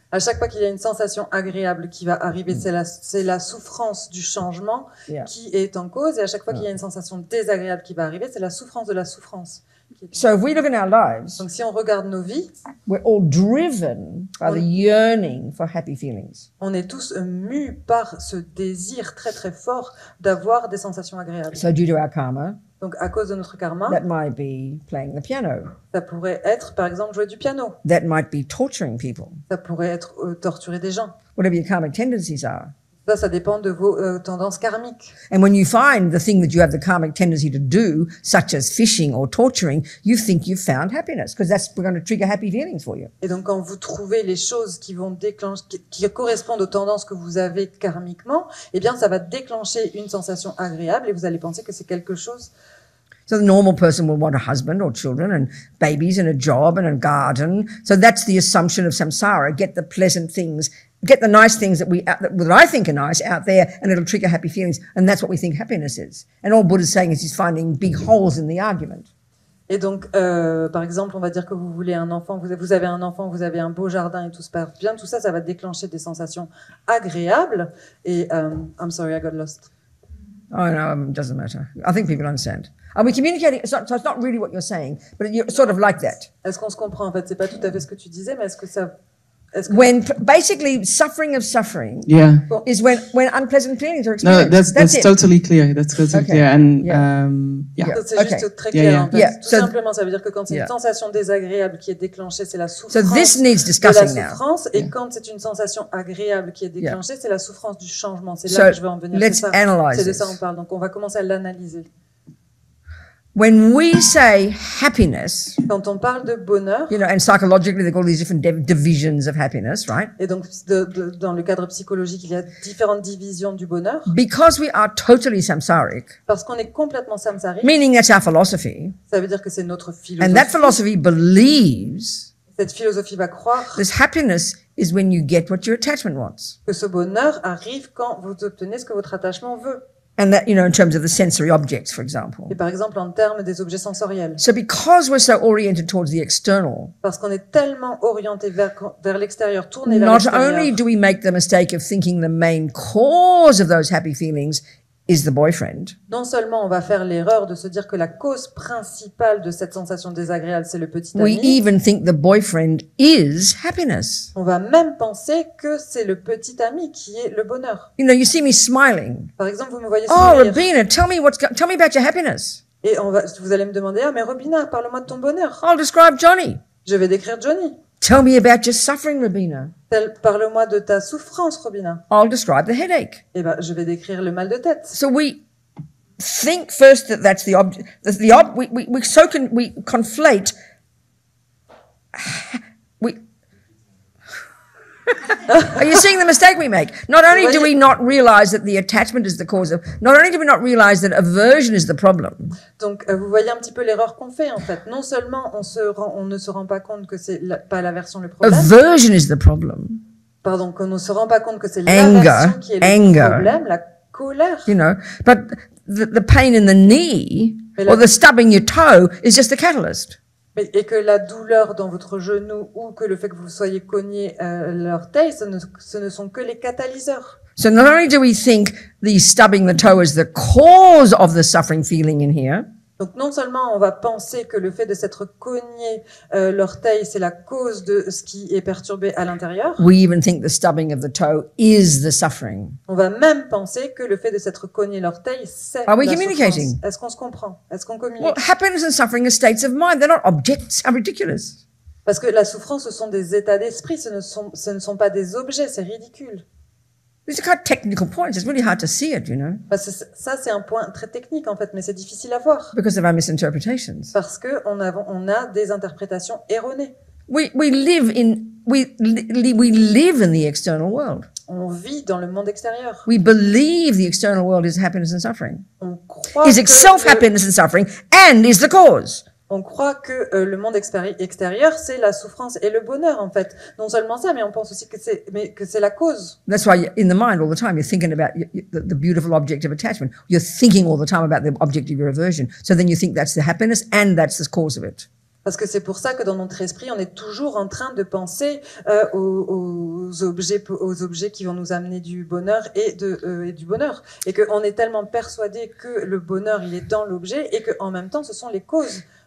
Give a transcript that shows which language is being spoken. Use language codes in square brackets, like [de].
[fr] À chaque fois qu'il y a une sensation agréable qui va arriver, c'est la souffrance du changement qui est en cause. Et à chaque fois qu'il y a une sensation désagréable qui va arriver, c'est la souffrance de la souffrance. [en] So if we look in our lives, [fr] donc si on regarde nos vies, [en] we're all driven by the yearning for happy feelings. [fr] On est tous mus par ce désir très très fort d'avoir des sensations agréables. [en] So due to our karma, [fr] donc à cause de notre karma, [en] that might be playing the piano. [fr] Ça pourrait être par exemple jouer du piano. [en] That might be torturing people. [fr] Ça pourrait être torturer des gens. [en] Whatever your karmic tendencies are. [fr] Ça dépend de vos tendances karmiques. [en] And when you find the thing that you have the karmic tendency to do, such as fishing or torturing, you think you've found happiness, because that's going to trigger happy feelings for you. [fr] Et donc quand vous trouvez les choses qui vont déclencher, qui correspondent aux tendances que vous avez karmiquement, eh bien ça va déclencher une sensation agréable et vous allez penser que c'est quelque chose. [en] So the normal person will want a husband or children and babies and a job and a garden. So that's the assumption of samsara. Get the pleasant things. Get the nice things that I think are nice out there, and it'll trigger happy feelings, and that's what we think happiness is. And all Buddha's saying is he's finding big holes in the argument. [fr] Et donc, par exemple, on va dire que vous voulez un enfant, vous avez un enfant, vous avez un beau jardin et tout se passe bien, tout ça, ça va déclencher des sensations agréables. [en] Et I'm sorry, I got lost. Oh no, it doesn't matter. I think people understand. Are we communicating? It's not really what you're saying, but you're sort of like that. [fr] Est-ce qu'on se comprend en fait? C'est pas tout à fait ce que tu disais, mais est-ce que ça [en] when basically suffering of suffering is when unpleasant feelings are experienced. No, that's totally clear. That's totally clear. And [fr] Tout simplement, ça veut dire que quand c'est une sensation désagréable qui est déclenchée, c'est la souffrance. [en] So this needs discussing now. [fr] Et quand c'est une sensation agréable qui est déclenchée, c'est la souffrance du changement. C'est là [en] so [fr] que je veux en venir. [en] Let's [fr] c'est ça. [en] Analyze. [fr] C'est de ça on parle. Donc on va commencer à l'analyser. [en] When we say happiness, [fr] quand on parle de bonheur, [en] you know, and psychologically they call these different divisions of happiness, right? [fr] Et donc dans le cadre psychologique, il y a différentes divisions du bonheur. [en] Because we are totally samsaric. [fr] Parce qu'on est complètement samsarique. [en] Meaning that's our philosophy. [fr] Ça veut dire que c'est notre philosophie. [en] And that philosophy believes. [fr] Cette philosophie va croire. [en] This happiness is when you get what your attachment wants. [fr] Que ce bonheur arrive quand vous obtenez ce que votre attachement veut. [en] And that, you know, in terms of the sensory objects, for example. [fr] Et par exemple, en termes des objets sensoriels. [en] So because we're so oriented towards the external. [fr] Parce qu'on est tellement orienté vers l'extérieur, tourné vers l'extérieur. [en] Not only do we make the mistake of thinking the main cause of those happy feelings is the boyfriend. [fr] Non seulement on va faire l'erreur de se dire que la cause principale de cette sensation désagréable, c'est le petit ami. [en] We even think the boyfriend is happiness. [fr] On va même penser que c'est le petit ami qui est le bonheur. [en] You know, you see me smiling. [fr] Par exemple, vous me voyez sourire. [en] Oh, Robina, tell me about your happiness. [fr] Et vous allez me demander, ah, mais Robina, parle-moi de ton bonheur. [en] I'll describe Johnny. [fr] Je vais décrire Johnny. [en] Tell me about your suffering, Robina. [fr] Parle-moi de ta souffrance, Robina. [en] I'll describe the headache. [fr] Eh ben, je vais décrire le mal de tête. [en] So we think first that that's the object. We conflate. Are you seeing the mistake we make? Not only do we not realize that the attachment is the cause of, not only do we not realize that aversion is the problem. [fr] Donc vous voyez un petit peu l'erreur qu'on fait en fait. Non seulement on ne se rend pas compte que c'est pas l'aversion le problème. [en] Aversion is the problem. [fr] Pardon, qu'on ne se rend pas compte que c'est l'aversion qui est le problème, la colère. [en] You know, but the pain in the knee or the stubbing your toe is just the catalyst. [fr] Et que la douleur dans votre genou ou que le fait que vous soyez cogné l'orteil, ce ne sont que les catalyseurs. [en] So not only do we think the stubbing the toe is the cause of the suffering feeling in here. [fr] Donc non seulement on va penser que le fait de s'être cogné l'orteil, c'est la cause de ce qui est perturbé à l'intérieur. [en] We even think the stubbing of the toe is the suffering. [fr] On va même penser que le fait de s'être cogné l'orteil, c'est la souffrance. Est-ce qu'on se comprend? Est-ce qu'on communique? [en] Well, happiness and suffering are states of mind. They're not objects. How ridiculous. [fr] Parce que la souffrance, ce sont des états d'esprit. Ce ne sont pas des objets. C'est ridicule. [en] These are quite technical points. It's really hard to see it, you know. [fr] Parce que ça, c'est un point très technique, en fait, mais c'est difficile à voir. [en] Because of our misinterpretations. [fr] Parce que on a des interprétations erronées. [en] We live in the external world. [fr] On vit dans le monde extérieur. [en] We believe the external world is happiness and suffering. [fr] On croit [en] is itself happiness and suffering and is the cause. [fr] On croit que le monde extérieur, c'est la souffrance et le bonheur, en fait. Non seulement ça, mais on pense aussi que c'est la cause. [en] That's why in the mind all the time you're thinking about the beautiful object of attachment. You're thinking all the time about the object of your aversion. So then you think that's the happiness and that's the cause of it. [fr] Parce que c'est pour ça que dans notre esprit, on est toujours en train de penser aux objets qui vont nous amener du bonheur et du bonheur. Et qu'on est tellement persuadé que le bonheur, il est dans l'objet et qu'en même temps, ce sont les causes.